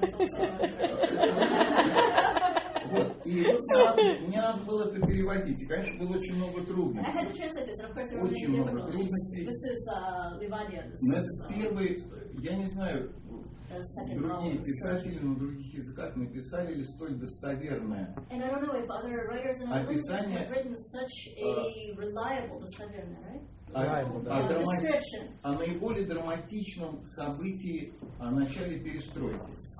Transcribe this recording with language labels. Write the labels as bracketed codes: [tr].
[en] It's also [ru] вот. И мне надо было это переводить. И, конечно, было очень много трудностей. [en] I had to translate this, and of course, there were many difficulties. This is Livadia. [ru] Это первый, я не знаю, другие писатели на других языках написали ли столь достоверное описание о наиболее драматичном событии о начале перестройки.